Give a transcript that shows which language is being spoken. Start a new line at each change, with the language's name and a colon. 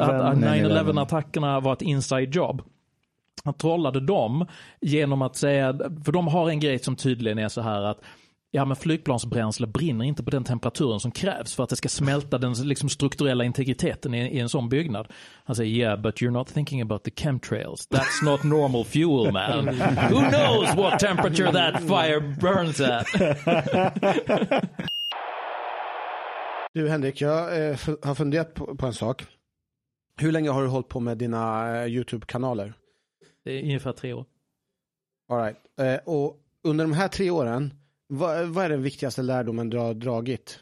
Swedish: Att 9/11-attackerna var ett inside job. Han trollade dem genom att säga, för de har en grej som tydligen är så här att ja, men flygplansbränsle brinner inte på den temperaturen som krävs för att det ska smälta den liksom strukturella integriteten i en sån byggnad. Han säger,
English: yeah, but you're not thinking about the chemtrails. That's not normal fuel, man. Who knows what temperature that fire burns at?
Swedish: Du, Henrik, jag har funderat på en sak. Hur länge har du hållit på med dina YouTube-kanaler? Det är ungefär 3 år.
English: All right.
Swedish: Och under de här 3 åren, Vad är den viktigaste lärdomen du har dragit?